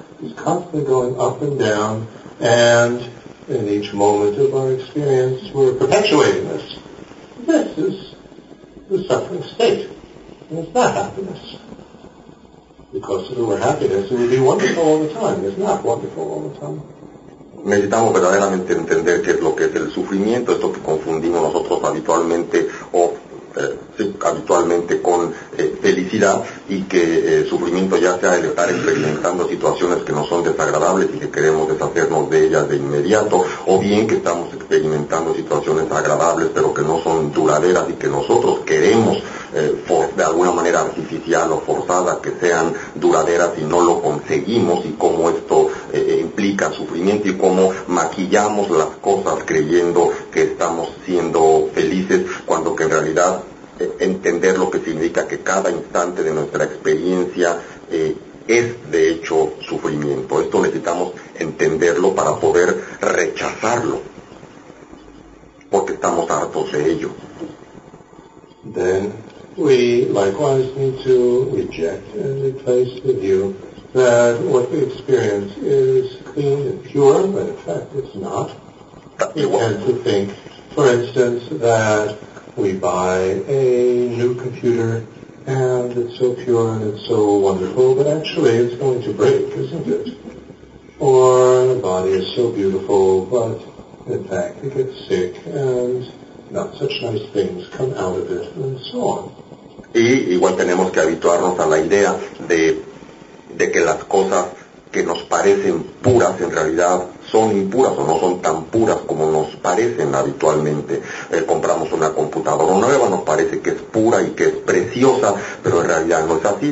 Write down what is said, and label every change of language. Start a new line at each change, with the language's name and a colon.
English: It's constantly going up and down, and in each moment of our experience, we're perpetuating this. This is the suffering state. And it's not happiness. Because if it were happiness, it would be wonderful all the time. It's not wonderful all the time.
Spanish: Necesitamos verdaderamente entender qué es lo que es el sufrimiento, esto que confundimos nosotros habitualmente o habitualmente con felicidad, y que sufrimiento ya sea el estar experimentando situaciones que no son desagradables y que queremos deshacernos de ellas de inmediato, o bien que estamos experimentando situaciones agradables pero que no son duraderas y que nosotros queremos de alguna manera artificial o forzada que sean duraderas y no lo conseguimos, y cómo esto implica sufrimiento y cómo maquillamos las cosas creyendo que estamos siendo felices, cuando que en realidad entender lo que significa que cada instante de nuestra experiencia es de hecho sufrimiento. Esto necesitamos entenderlo para poder rechazarlo, porque estamos hartos de ello.
English: Then we likewise need to reject and replace the view that what we experience is clean and pure, but in fact it's not. We tend to think, for instance, that we buy a new computer and it's so pure and it's so wonderful, but actually it's going to break, isn't it? Or the body is so beautiful, but in fact it gets sick and not such nice things come out of it, and so on.
Spanish: Y igual tenemos que habituarnos a la idea de que las cosas que nos parecen puras en realidad son impuras o no son tan puras como nos parecen habitualmente. Compramos una computadora nueva, nos parece que es pura y que es preciosa, pero en realidad no es así.